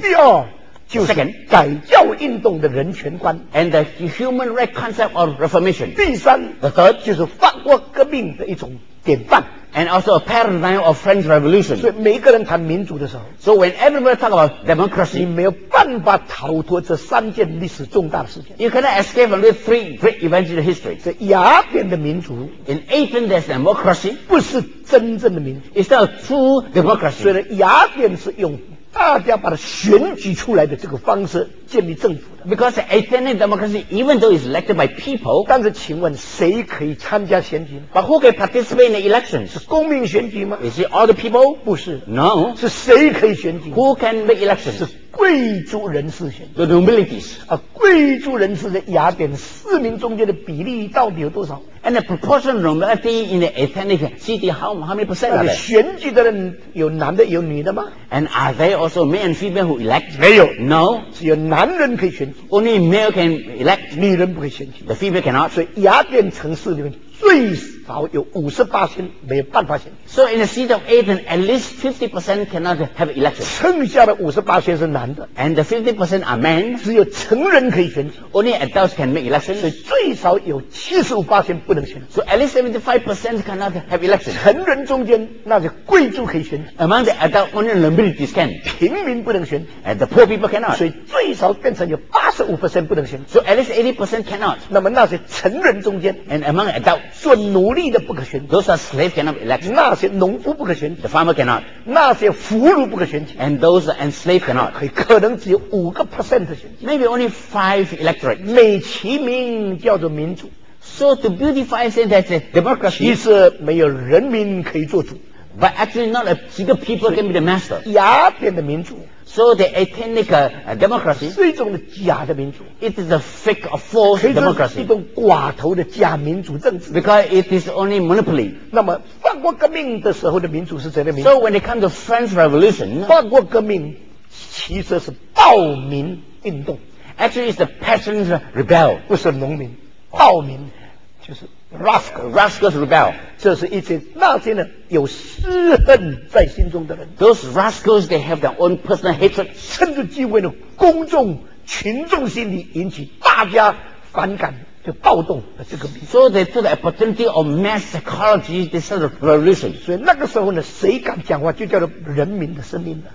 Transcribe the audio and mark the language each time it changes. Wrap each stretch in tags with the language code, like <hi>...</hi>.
<zh>第二就是改教运动的人权观</zh> <en>，and the human right concept of reformation.</en> <zh>第三</zh> <en>，the third</en> <zh>就是法国革命的一种典范</zh> <en>，and also a paradigm of French Revolution.</en> <zh>所以每个人谈民主的时候</zh> <en>，so when everybody talk about democracy,</en> <zh>你没有办法逃脱这三件历史重大的事件。</zh> <en>You cannot escape from these three great events in history.</en> <zh>这雅典的民主</zh> <en>，in Athens there's democracy,</en> <zh>不是真正的民主</zh> <en>，it's not true democracy.</en> <zh>所以雅典是用大家把它选举出来的这个方式建立政府的。</zh> <en>Because Athenian democracy, even though it's elected by people,</en> <zh>但是请问谁可以参加选举呢？</zh> <en>But who can participate in the elections?</en> <zh>是公民选举吗？</zh> <en>Is it all the people?</en> <zh>不是。</zh> <en>No.</en> <zh>是谁可以选举？</zh> <en>Who can make elections?</en> <zh>是贵族人士选举。</zh> <en>The nobilities.</en> <zh>啊，贵族人士在雅典市民中间的比例到底有多少？</zh> <en>And the proportion of nobility in the Athenian city, how many percent of it?</en> <zh>选举的人有男的有女的吗？</zh> <en>And are they also men and female who elect?</en> <zh>没有。</zh> <en>No.</en> <zh>只有男人可以选举。</zh> <en>Only male can elect.</en> <zh>女人不可以选举。</zh> <en>The female cannot.</en> <zh>所以雅典城市里面最少有 58% 没有办法选举。</zh> <en>So in the city of Athens, at least 50% cannot have election.</en> <zh>剩下的 58% 是男的。</zh> <en>And the 50% are men.</en> <zh>只有成人可以选举。</zh> <en>Only adults can make election.</en> <zh>所以最少有 75% 不能选举。</zh> <en>So at least 75% cannot have election.</en> <zh>成人中间那些贵族可以选举。</zh> <en>Among the adults, only nobilities can.</en> <zh>平民不能选举。</zh> <en>And the poor people cannot.</en> <zh>所以最少变成有85% 不能选举。</zh> <en>So at least 80% cannot.</en> <zh>那么那些成人中间。</zh> <en>And among adults.</en> <zh>做奴隶的不可选举</zh> <en>Those are slaves cannot elect</en> <zh>那些农夫不可选举</zh> <en>The farmer cannot</en> <zh>那些俘虏不可选举</zh> <en>And those enslaved cannot</en> <zh>可能只有5% 的选举</zh> <en>Maybe only 5 electorate</en> <zh>美其名叫做民主</zh> <en>So to beautify say that democracy</en> <zh>其实没有人民可以做主</zh> <en>But actually not a single people can be the master</en> <zh>雅典的民主</zh> <en>So the Athenic democracy</en> <zh>是一种假的民主</zh> <en>It is a fake or false democracy</en> <zh>是一种寡头的假民主政治</zh> <en>Because it is only monopoly</en> <zh>那么法国革命的时候的民主是怎样的民主</zh> <en>So when it comes to French Revolution</en> <zh>法国革命其实是暴民运动</zh> <en>Actually it's the peasants rebel</en> <zh>不是农民暴民就是Rascals</zh> <en>rebel.</en> <zh>这是一些那些呢有私恨在心中的人。</zh> <en>Those rascals, they have their own personal hatred.</en> <zh>趁着机会呢，公众群众心里引起大家反感，就暴动的这个名。</zh> <en>So they took the opportunity of mass psychology, they started revolution.</en> <zh>所以那个时候呢，谁敢讲话就叫做人民的声音了。</zh>